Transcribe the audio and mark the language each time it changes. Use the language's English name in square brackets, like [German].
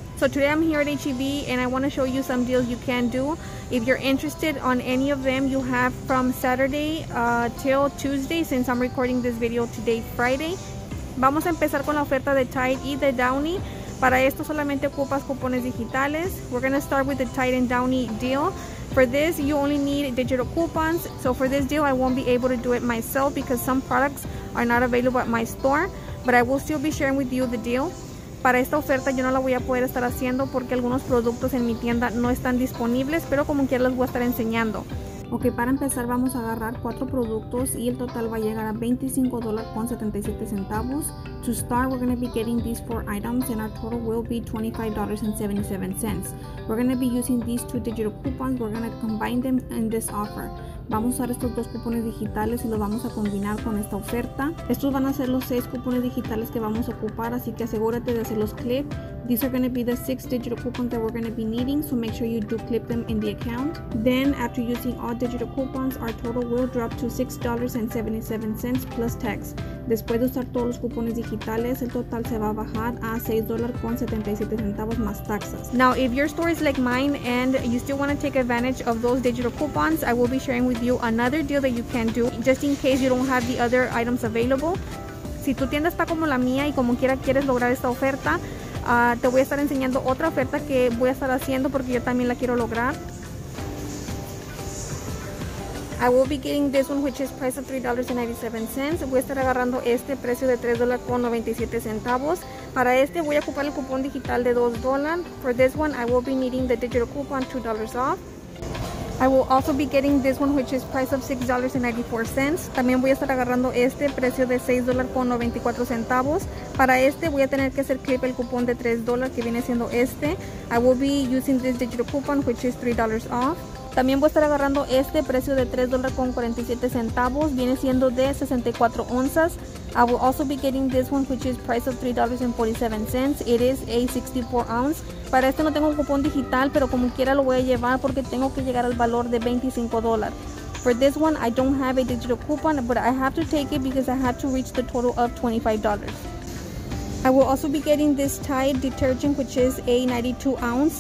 [English] So today I'm here at HEB and I want to show you some deals you can do. If you're interested on any of them, you have from Saturday till Tuesday, since I'm recording this video today, Friday. [Spanish] Vamos a empezar con la oferta de Tide y de Downy. Para esto solamente ocupas cupones digitales. [English] We're going to start with the Tide and Downy deal. For this, you only need digital coupons. So for this deal, I won't be able to do it myself because some products are not available at my store. But I will still be sharing with you the deal. [Spanish] Para esta oferta yo no la voy a poder estar haciendo porque algunos productos en mi tienda no están disponibles, pero como quiera les voy a estar enseñando. Ok, para empezar vamos a agarrar 4 productos y el total va a llegar a $25.77. [English] To start, we're going to be getting these 4 items and our total will be $25.77. We're going to be using these 2 digital coupons. We're going to combine them in this offer. [Spanish] Vamos a usar estos 2 cupones digitales y los vamos a combinar con esta oferta. Estos van a ser los 6 cupones digitales que vamos a ocupar, así que asegúrate de hacerlos clip. [English] These are going to be the 6 digital coupons that we're going to be needing, so make sure you do clip them in the account. Then, after using all digital coupons, our total will drop to $6.77 plus tax. [Spanish] Después de usar todos los cupones digitales, el total se va a bajar a $6.77 más taxas. [English] Now, if your store is like mine and you still want to take advantage of those digital coupons, I will be sharing with you another deal that you can do just in case you don't have the other items available. [Spanish] Si tu tienda está como la mía y como quiera quieres lograr esta oferta, te voy a estar enseñando otra oferta que voy a estar haciendo porque yo también la quiero lograr. [English] I will be getting this one, which is price of $3.97. [Spanish] Voy a estar agarrando este precio de $3.97. Para este voy a ocupar el cupón digital de $2. [English] For this one, I will be needing the digital coupon $2 off. I will also be getting this one, which is price of $6.94. [Spanish] También voy a estar agarrando este precio de $6.94. Para este voy a tener que hacer clip el cupón de $3 que viene siendo este. [English] I will be using this digital coupon, which is $3 off. [Spanish] También voy a estar agarrando este precio de $3.47, viene siendo de 64 onzas. [English] I will also be getting this one, which is price of $3.47. It is a 64 ounce. [Spanish] Para este no tengo un cupón digital, pero como quiera lo voy a llevar porque tengo que llegar al valor de $25. [English] For this one, I don't have a digital coupon, but I have to take it because I have to reach the total of $25. I will also be getting this Tide detergent, which is a 92 ounce.